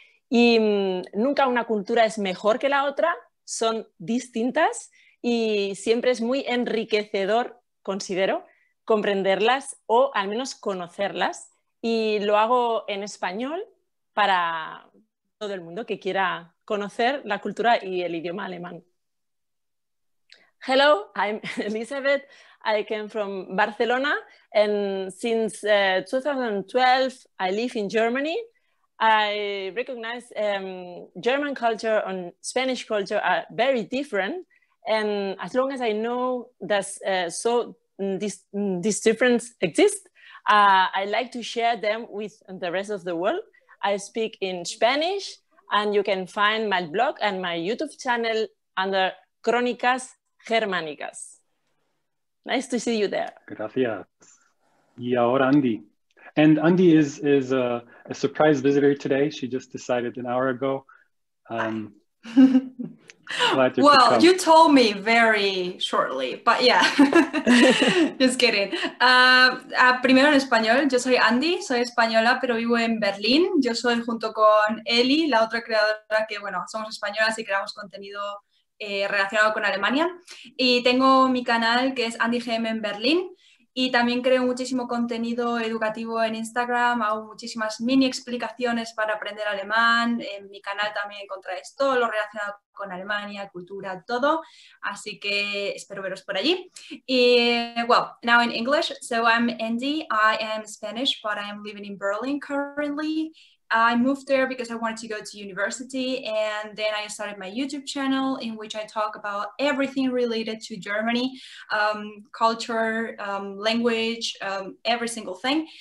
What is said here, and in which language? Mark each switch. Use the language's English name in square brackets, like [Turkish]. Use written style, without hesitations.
[Spanish] Y nunca una cultura es mejor que la otra, son distintas y siempre es muy enriquecedor, considero, comprenderlas o al menos conocerlas. Y lo hago en español para todo el mundo que quiera conocer la cultura y el idioma alemán. [English] Hello, I'm Elizabeth. I came from Barcelona and since 2012 I live in Germany. I recognize German culture and Spanish culture are very different, and as long as I know that this difference exists, I like to share them with the rest of the world. I speak in Spanish and you can find my blog and my YouTube channel under Crónicas Germánicas. Nice to see you there. [Spanish] Gracias. Y ahora Andy. [English] And Andy is a surprise visitor today. She just decided an hour ago. glad you well, you told me very shortly, but yeah, just kidding. [Spanish] Primero en español, yo soy Andy, soy española, pero vivo en Berlín. Yo soy junto con Eli, la otra creadora que, bueno, somos españolas y creamos contenido relacionado con Alemania. Y tengo mi canal que es Andy GM en Berlín. y también creo muchísimo contenido educativo en Instagram, hago muchísimas mini explicaciones para aprender alemán, en mi canal también encontráis todo lo relacionado con Alemania, cultura, todo, así que espero veros por allí. [English] Y, well, now in English, so I'm Andy, I am Spanish, but I am living in Berlin currently. I moved there because I wanted to go to university, and then I started my YouTube channel in which I talk about everything related to Germany, culture, language, every single thing.